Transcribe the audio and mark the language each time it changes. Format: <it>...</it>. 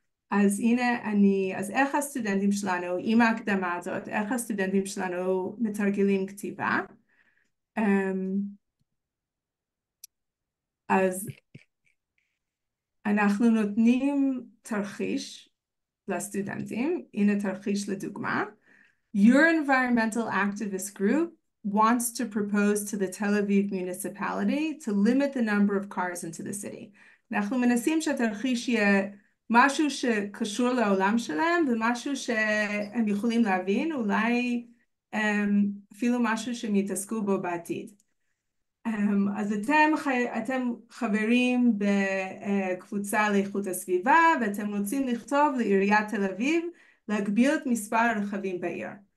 <he>אז הנה אני, אז איך הסטודנטים שלנו, עם ההקדמה הזאת, איך הסטודנטים שלנו מתרגלים כתיבה? אז אנחנו נותנים תרחיש לסטודנטים, הנה תרחיש לדוגמה.</he> <en>Your environmental activist group wants to propose to the Tel Aviv municipality to limit the number of cars into the city.</en> <he>אנחנו מנסים שהתרחיש יהיה משהו שקשור לעולם שלהם ומשהו שהם יכולים להבין, אולי אפילו משהו שהם יתעסקו בו בעתיד. אז אתם חברים בקבוצה לאיכות הסביבה ואתם רוצים לכתוב לעיריית תל אביב להגביל את מספר הרכבים בעיר.</he>